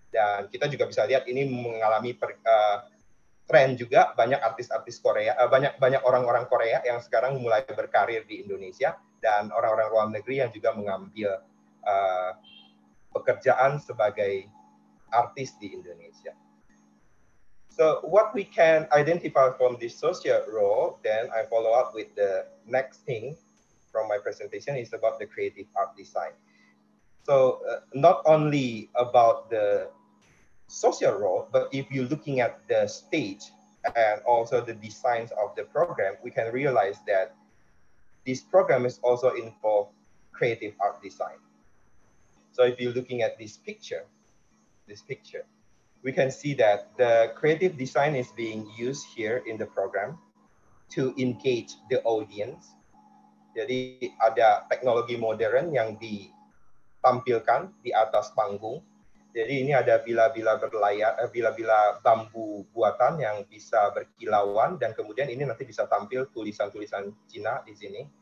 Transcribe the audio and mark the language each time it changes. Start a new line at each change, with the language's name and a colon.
Indonesian: Dan kita juga bisa lihat ini mengalami tren juga, banyak artis-artis Korea, banyak orang-orang Korea yang sekarang mulai berkarir di Indonesia, dan orang-orang luar negeri yang juga mengambil pekerjaan sebagai artis di Indonesia.
English: So what we can identify from this social role, then I follow up with the next thing from my presentation is about the creative art design. So not only about the social role, but if you're looking at the stage and also the designs of the program, we can realize that this program is also involved creative art design. So if you're looking at this picture, we can see that the creative design is being used here in the program to engage the audience.
Indonesian: Jadi ada teknologi modern yang ditampilkan di atas panggung. Jadi ini ada bila-bila bambu buatan yang bisa berkilauan dan kemudian ini nanti bisa tampil tulisan-tulisan Cina di sini.